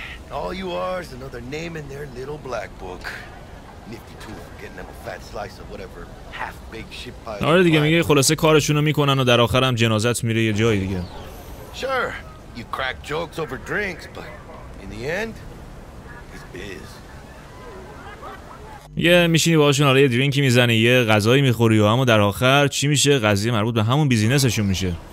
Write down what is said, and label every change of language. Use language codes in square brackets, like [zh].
[en] All you are is another name in their little black book. Nifty tool getting them a fat slice of whatever half-baked shit pie. [fa] آره دیگه میگه خلاصه کارشونو میکنن و در آخر هم جنازت میره یه جای دیگه. [en] Sure, you crack jokes over drinks, but in the end, it's biz. [fa] یه میشینی باهاشون حالا یه درینکی میزنی، یه غذایی میخوری و اما در آخر چی میشه؟ قضیه مربوط به همون بیزینسشون میشه.